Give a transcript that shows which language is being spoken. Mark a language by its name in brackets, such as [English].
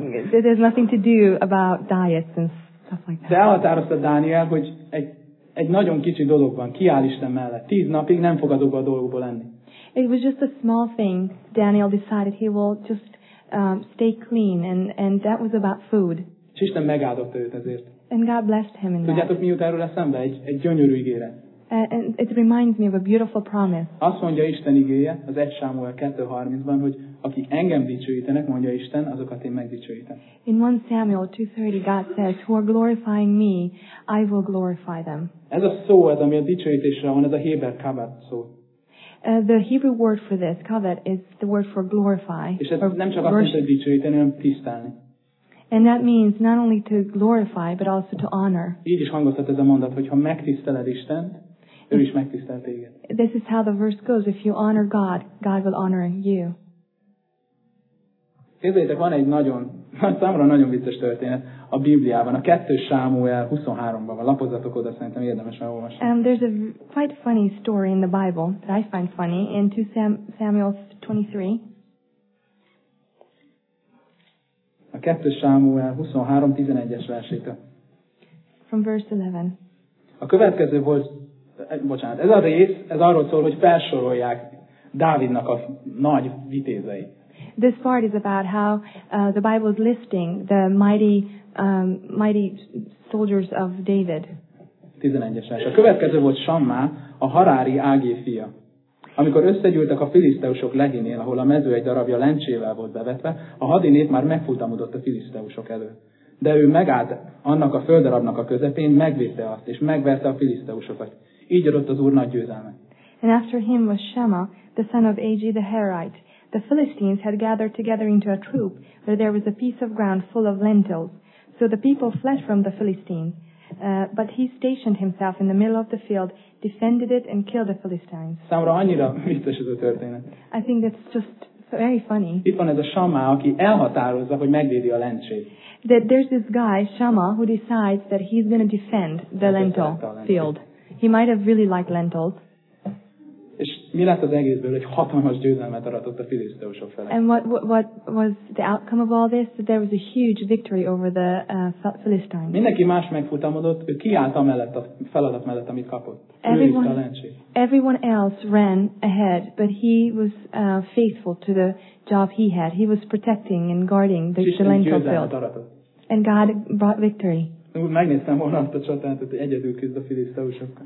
[English] There's nothing to do about diets and stuff like that. [Hungarian] De elhatározta Dániel, hogy egy nagyon kicsi dolog van, kiáll Isten mellett. 10 napig nem fog azokba a dolgokba lenni. [English] It was just a small thing. Daniel decided he will just stay clean, and that was about food. [Hungarian] És Isten megáldotta őt ezért. [English] And God blessed him in that. [Hungarian] Tudjátok, mi jut erről eszembe? Egy gyönyörű ígéret. [English] And it reminds me of a beautiful promise. [Hungarian] Azt mondja Isten igéje, az 1 Sámuel 2:30-ban, hogy akik engem dicsőítenek, mondja Isten, azokat én megdicsőítem. [English] In 1 Samuel 2:30 God says, who are glorifying me, I will glorify them. [Hungarian] Ez a szó, ez ami a dicsőítésre van, ez a héber kavet szó. [English] The Hebrew word for this, kavet, is the word for glorify. [Hungarian] És ez nem csak azt jelenti, hogy dicsőíteni, hanem tisztelni. [English] And that means not only to glorify, but also to honor. [Hungarian] Így is hangozhat ez a mondat, hogy ha megtiszteled Istent, ő is megtisztel téged. [English] This is how the verse goes. If you honor God, God will honor you. [Hungarian] Képzeljétek, van egy nagyon, számomra nagyon vicces történet a Bibliában. A 2 Sámuel 23-ban van. Lapozzatok oda, szerintem érdemes elolvasni. [English] There's a quite funny story in the Bible that I find funny in 2 Samuel 23. [Hungarian] A 2 Sámuel 23:11-es versét. [English] From verse 11. [Hungarian] A következő volt, bocsánat, ez a rész, ez arról szól, hogy felsorolják Dávidnak a nagy vitézei. [English] This part is about how the Bible is listing the mighty mighty soldiers of David. [Hungarian] 11-es vers. A következő volt Sammá, a harári ágé fia. Amikor összegyűltek a filiszteusok Lehinél, ahol a mező egy darabja lencsével volt bevetve, a hadinét már megfutamodott a filiszteusok előtt. De ő megállt annak a földarabnak a közepén, megvédte azt, és megverte a filiszteusokat. Így adott az Úr nagy győzelmet. [English] And after him was Shema, the son of Agi the Herite. The Philistines had gathered together into a troop, where there was a piece of ground full of lentils. So the people fled from the Philistines. But he stationed himself in the middle of the field, defended it and killed the Philistines. [Hungarian] Számra annyira vicces ez a történet. [English] I think that's just very funny. [Hungarian] Itt van ez a Shama, aki elhatározza, hogy megvédi a lentsét. [English] That there's this guy, Shama, who decides that he's going to defend the lentil field. He might have really liked lentils. [Hungarian] És mi lett az egészből, hogy hatalmas győzelmet aratott a filiszteusok felé. [English] And what was the outcome of all this? That there was a huge victory over the Philistines. [Hungarian] Mindenki más megfutamodott, ő kiállt amellett a feladat mellett, amit kapott. [English] Everyone else ran ahead, but he was faithful to the job he had. He was protecting and guarding the lentil field. And God brought victory. [Hungarian] Megnéztem volna azt a csatát, hogy egyedül küzd a filiszteusokkal.